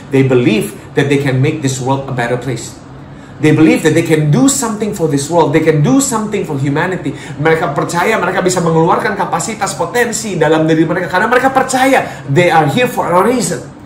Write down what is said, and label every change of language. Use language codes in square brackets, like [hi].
[en] They believe that they can make this world a better place. They believe that they can do something for this world. They can do something for humanity. [id] Mereka percaya mereka bisa mengeluarkan kapasitas, potensi dalam diri mereka. Karena mereka percaya [en] they are here for a reason.